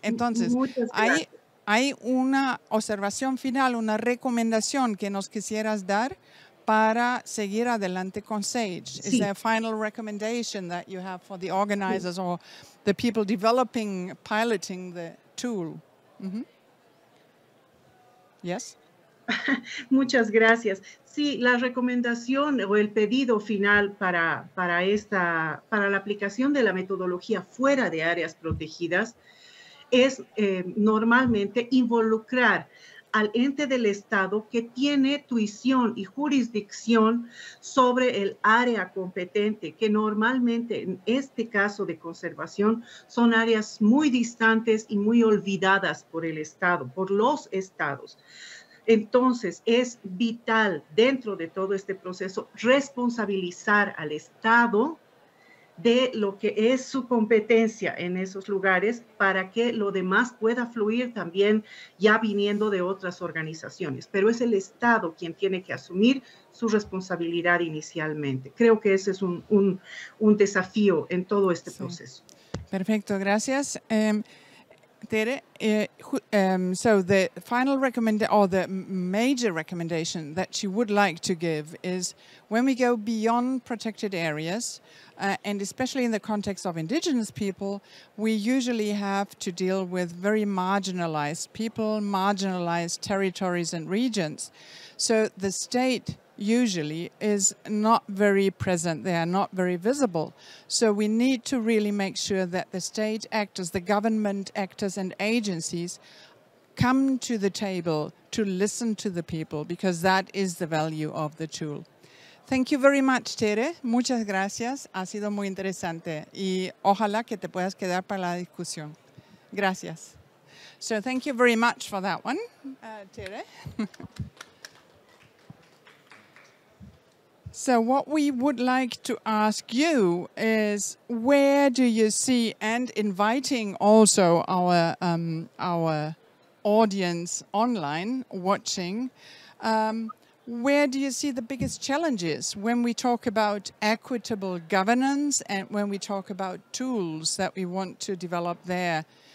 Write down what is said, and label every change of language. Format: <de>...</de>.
<es>Entonces, hay una observación final, una recomendación que nos quisieras dar para seguir adelante con SAGE?</es> <en>Sí. Is there a final recommendation that you have for the organizers or the people developing, piloting the tool? Mm-hmm. Yes?</en> <es>Muchas gracias. Sí, la recomendación o el pedido final para la aplicación de la metodología fuera de áreas protegidas es normalmente involucrar al ente del Estado que tiene tuición y jurisdicción sobre el área competente, que normalmente en este caso de conservación son áreas muy distantes y muy olvidadas por el Estado, por los estados. Entonces, es vital dentro de todo este proceso responsabilizar al Estado de lo que es su competencia en esos lugares para que lo demás pueda fluir también ya viniendo de otras organizaciones. Pero es el Estado quien tiene que asumir su responsabilidad inicialmente. Creo que ese es un desafío en todo este proceso. Perfecto, gracias.</es> <en>Tere, so the final recommendation or the major recommendation that she would like to give is when we go beyond protected areas, and especially in the context of indigenous people, we usually have to deal with very marginalized people, marginalized territories and regions. So the state usually is not very present, they are not very visible. So we need to really make sure that the state actors, the government actors and agencies come to the table to listen to the people, because that is the value of the tool. Thank you very much, Tere.</en> <es>Muchas gracias. Ha sido muy interesante. Y ojalá que te puedas quedar para la discusión. Gracias.</es> <en>So thank you very much for that one, Tere. So what we would like to ask you is, where do you see, and inviting also our audience online watching, where do you see the biggest challenges when we talk about equitable governance and when we talk about tools that we want to develop there?</en>